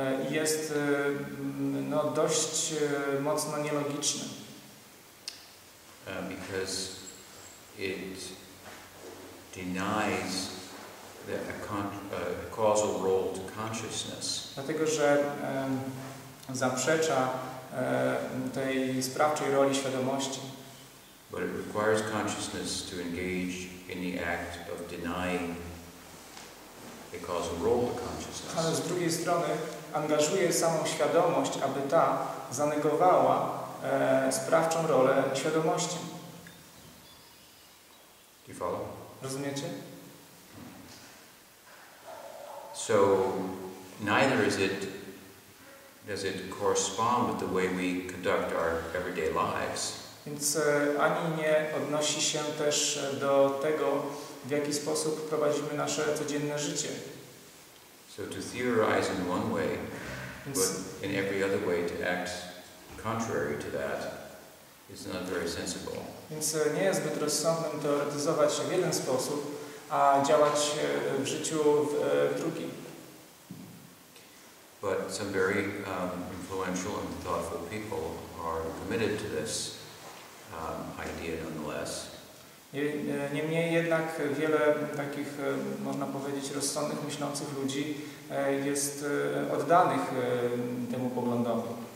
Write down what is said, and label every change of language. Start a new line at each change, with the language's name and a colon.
Polish: Jest dość mocno nielogiczny.
English: Because it denies a causal role to consciousness.
Polish: Dlatego, że zaprzecza tej sprawczej roli świadomości.
English: But it requires consciousness to engage in the act of denying a causal role to consciousness.
Polish: Ale z drugiej strony angażuje samą świadomość, aby ta zanegowała sprawczą rolę świadomości.
English: Do you follow?
Polish: Rozumiecie?
English: So neither is it does it correspond with the way we conduct our everyday lives.
Polish: Więc ani nie odnosi się też do tego, w jaki sposób prowadzimy nasze codzienne życie.
English: So to theorize in one way, but in every other way to act contrary to that is not very sensible.
Polish: Więc nie jest zbyt rozsądnym teoretyzować się w jeden sposób, a działać w życiu w drugi.
English: But some very influential and thoughtful people are committed to this idea nonetheless.
Polish: Niemniej jednak wiele takich, można powiedzieć, rozsądnych, myślących ludzi jest oddanych temu poglądowi.